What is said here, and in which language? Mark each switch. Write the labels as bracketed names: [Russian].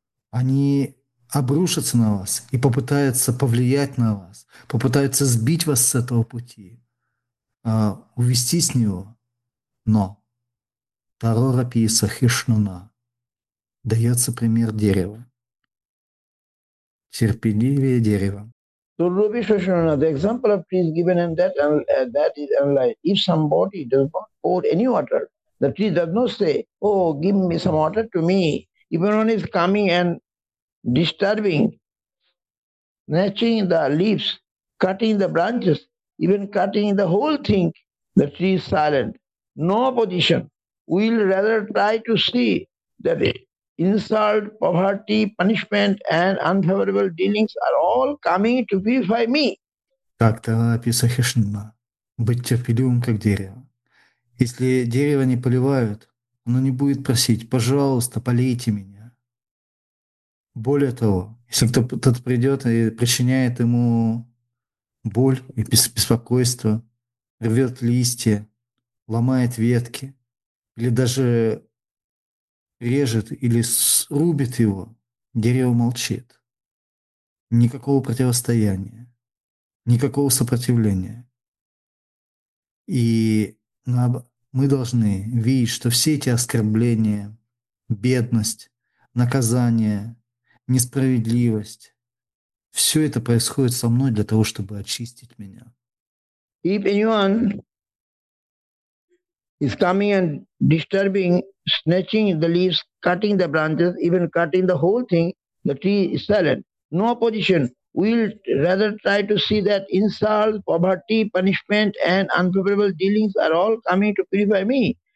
[Russian] Они обрушатся на вас и попытаются повлиять на вас, попытаются сбить вас с этого пути, увести с него. Но Тарорапи Сахишнуна дается пример дерева. Терпеливее дерево. [English] So Rupi Sushruna, the example of tree is given, and that is analyzed. If somebody does not pour any water, the tree does not say, oh, give me some water to me. Even when it's coming and disturbing, snatching the leaves, cutting the branches, even cutting the whole thing, the tree is silent. No opposition. We'll rather try to see that insult, poverty, punishment, and unfavorable dealings are all coming to purify me. [Russian] Так, Тарорапи Сахишнуна, быть терпеливым, как дерево. Если дерево не поливают, оно не будет просить: пожалуйста, полейте меня. Более того, если кто-то придет и причиняет ему боль и беспокойство, рвет листья, ломает ветки или даже режет или срубит его, дерево молчит. Никакого противостояния, никакого сопротивления. И мы должны видеть, что все эти оскорбления, бедность, наказание, несправедливость, все это происходит со мной для того, чтобы очистить меня. [English] If anyone is coming and disturbing, snatching the leaves, cutting the branches, even cutting the whole thing, the tree is silent. No opposition. We'll rather try to see that insult, poverty, punishment, and unfavorable dealings are all coming to purify me.